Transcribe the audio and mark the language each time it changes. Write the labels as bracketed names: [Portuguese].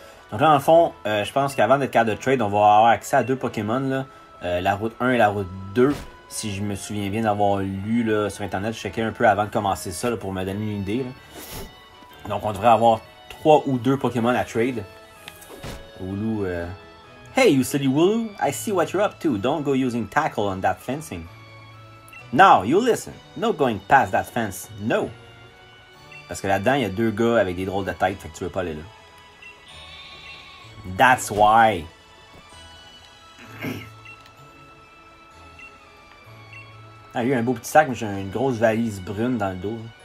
[French] Donc là, en fond, je pense qu'avant d'être capable de trade, on va avoir accès à deux Pokémon, là. La route 1 et la route 2. Si je me souviens bien d'avoir lu là, sur internet, je checkais un peu avant de commencer ça là, pour me donner une idée. Là. Donc on devrait avoir 3 ou 2 Pokémon à trade. [English] Wooloo. Hey, you silly Wooloo, I see what you're up to. Don't go using tackle on that fencing. Now, you listen. No going past that fence. No. [French] Parce que là-dedans, il y a deux gars avec des drôles de tête, fait que tu veux pas aller là. [English] That's why. [French] Ah, lui, un beau petit sac, mais j'ai une grosse valise brune dans le dos.